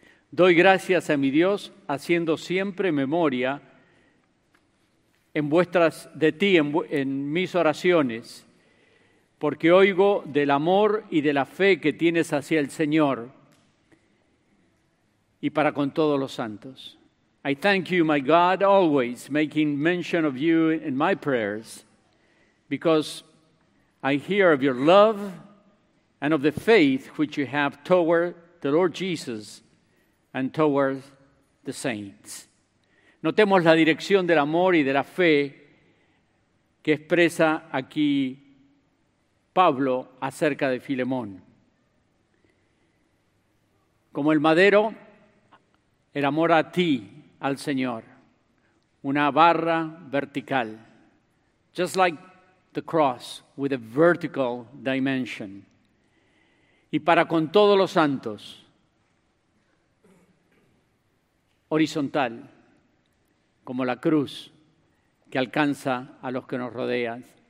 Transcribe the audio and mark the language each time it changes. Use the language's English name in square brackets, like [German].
[Spanish] Doy gracias a mi Dios, haciendo siempre memoria en mis oraciones, porque oigo del amor y de la fe que tienes hacia el Señor y para con todos los santos. [English] I thank you, my God, always making mention of you in my prayers, because I hear of your love and of the faith which you have toward the Lord Jesus and toward the saints. [Spanish] Notemos la dirección del amor y de la fe que expresa aquí Pablo acerca de Filemón. Como el madero, el amor a ti, al Señor, una barra vertical, [English] just like the cross with a vertical dimension, [Spanish] y para con todos los santos, horizontal, como la cruz que alcanza a los que nos rodean.